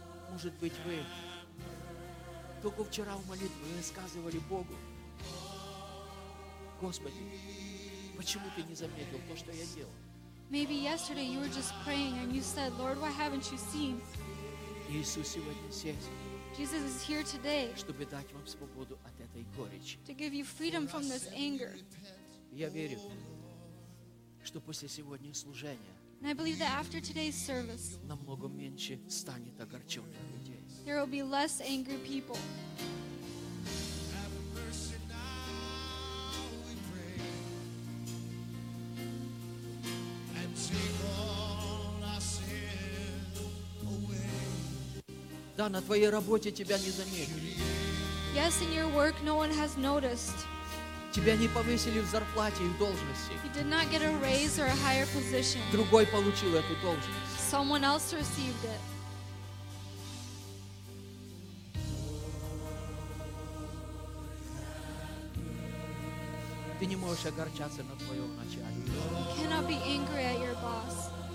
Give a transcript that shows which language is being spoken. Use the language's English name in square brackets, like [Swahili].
[Russian] Может быть вы только вчера в молитве рассказывали Богу, Господи. Почему ты не заметил то, что я делал? [English] Maybe yesterday you were just praying and you said, Lord, why haven't you seen? [Russian] Иисус сегодня здесь. [English] Jesus is here today. [Russian] Чтобы дать вам свободу от этой горечи. [English] To give you freedom from this anger. [Russian] Я верю, что после сегодняшнего служения. [English] And I believe that after today's service. [Russian] Намного меньше станет огорченных людей. [English] There will be less angry people. [Russian] Да, на твоей работе тебя не заметили. [English] Yes, in your work, no one has noticed. [Russian] Тебя не повысили в зарплате и в должности. [English] You did not get a raise or a higher position. [Russian] Другой получил эту должность. [English] Someone else received it. [Russian] Ты не можешь огорчаться на твоем начальнике. [English] You cannot be angry at your boss.